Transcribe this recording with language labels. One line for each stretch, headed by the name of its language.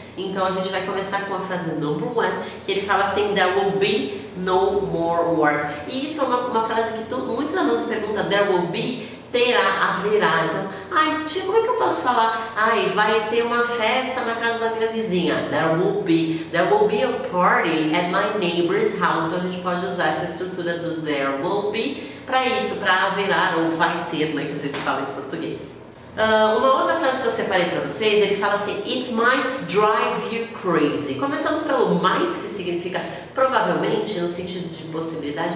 Portuguese: Então a gente vai começar com a frase number one, que ele fala assim:
English: there will be no more wars.
Portuguese: E isso é uma frase que muitos alunos perguntam:
English: there will be,
Portuguese: terá, haverá. Então, ai, tia, como é que eu posso falar? Ai, vai ter uma festa na casa da minha vizinha.
English: There will be a party at my neighbor's house.
Portuguese: Então a gente pode usar essa estrutura do there will be pra isso, pra haverá ou vai ter, né, que a gente fala em português. Uma outra frase que eu separei pra vocês, ele fala assim:
English: it might drive you crazy.
Portuguese: Começamos pelo might, que significa provavelmente, no sentido de possibilidade.